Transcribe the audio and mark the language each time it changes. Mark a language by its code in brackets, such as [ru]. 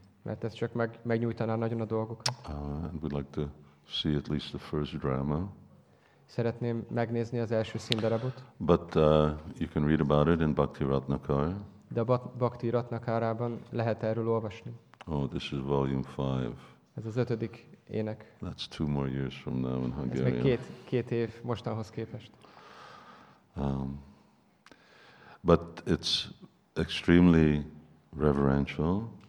[hu] Mert ez csak megnyújtaná nagyon a dolgokat. [en] We'd like to see at least the first drama. [hu] Szeretném megnézni az első színdarabot. [en] But you can read about it in Bhakti Ratnakar. [hu] De a Bhakti Ratnakarában lehet erről olvasni. [en] Oh, this is volume 5. [hu] Ez az ötödik ének. [en] That's 2 more years from now in Hungary. [hu] Ez még két év mostanhoz képest. [en] But it's extremely reverential.